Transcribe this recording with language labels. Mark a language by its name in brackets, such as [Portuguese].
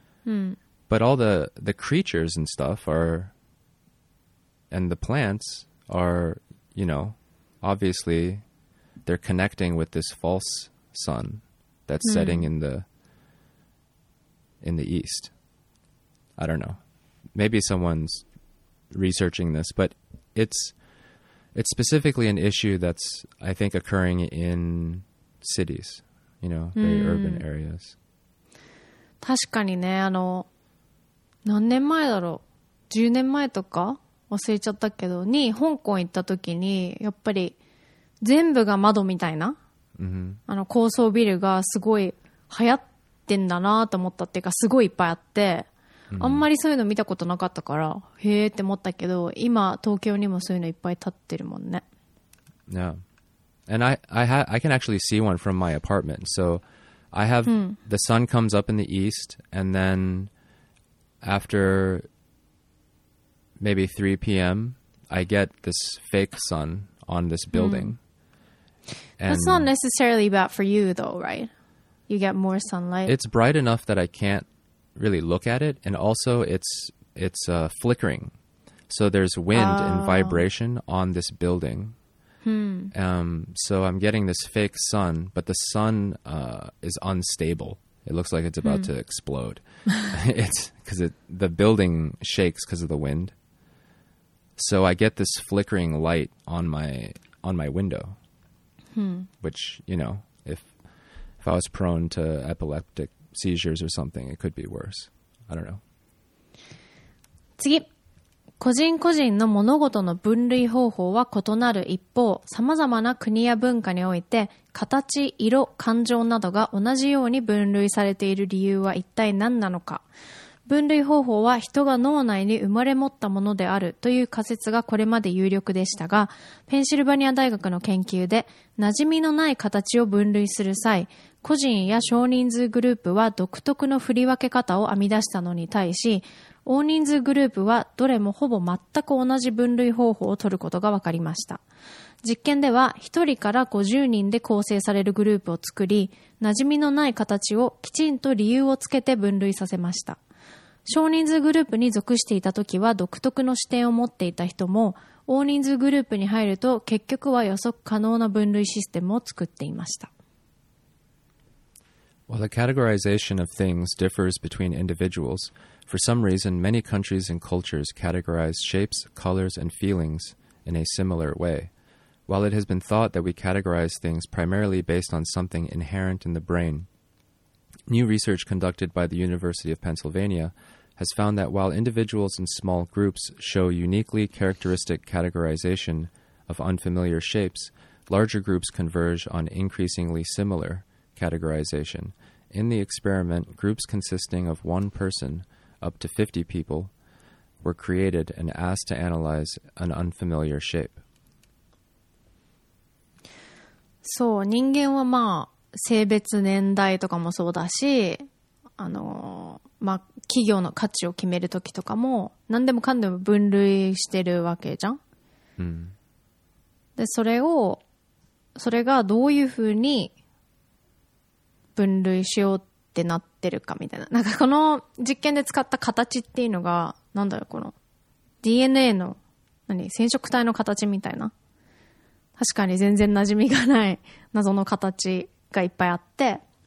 [English] But all the creatures and stuff are, and the plants are, you know, obviously they're connecting with this false sun that's setting in the east. I don't know. Maybe someone's researching this, but it's specifically an issue that's, I think, occurring in cities. You know, very urban areas. [Japanese] 確かにね、あの、何年前だろう、10年前とか忘れちゃったけど、に香港行った時に、やっぱり全部が窓みたいな、あの高層ビルがすごい流行ってんだなと思ったっていうか、すごいいっぱいあって、あんまりそういうの見たことなかったから、へーって思ったけど、今東京にもそういうのいっぱい立ってるもんね。 [English] Yeah. And I can actually see one from my apartment. So I have the sun comes up in the east and then after maybe 3 p.m., I get this fake sun on this building. That's not necessarily bad for you though, right? You get more sunlight. It's bright enough that I can't really look at it. And also it's flickering. So there's wind and vibration on this building. So I'm getting this fake sun, but the sun is unstable. It looks like it's about to explode. It's because the building shakes because of the wind. So I get this flickering light on my window, which, you know, if I was prone to epileptic seizures or something, it could be worse. I don't know. [Japanese] 次。個人個人の物事の分類方法は異なる一方、様々な国や文化において、形、色、感情などが同じように分類されている理由は一体何なのか。分類方法は人が脳内に生まれ持ったものであるという仮説がこれまで有力でしたが、ペンシルバニア大学の研究で、馴染みのない形を分類する際、個人や少人数グループは独特の振り分け方を編み出したのに対し、大人数グループはどれもほぼ全く同じ分類方法を取ることが分かりました。実験では1人から50人で構成されるグループを作り、馴染みのない形をきちんと理由をつけて分類させました。少人数グループに属していた時は独特の視点を持っていた人も、大人数グループに入ると結局は予測可能な分類システムを作っていました。 [English] While the categorization of things differs between individuals, for some reason many countries and cultures categorize shapes, colors, and feelings in a similar way. While it has been thought that we categorize things primarily based on something inherent in the brain, new research conducted by the University of Pennsylvania has found that while individuals in small groups show uniquely characteristic categorization of unfamiliar shapes, larger groups converge on increasingly similar categorization. In the experiment, groups consisting of one person, up to 50 people, were created and asked to analyze an unfamiliar shape. [Japanese] そう、人間はまあ、性別、年代とかもそうだし、まあ、企業の価値を決めるときとかも、何でもかんでも分類してるわけじゃん。で、それがどういうふうに分類しようってなってるかみたいな、なんかこの実験で使った形っていうのがなんだろう、この DNA の何染色体の形みたいな、確かに全然馴染みがない謎の形がいっぱいあって、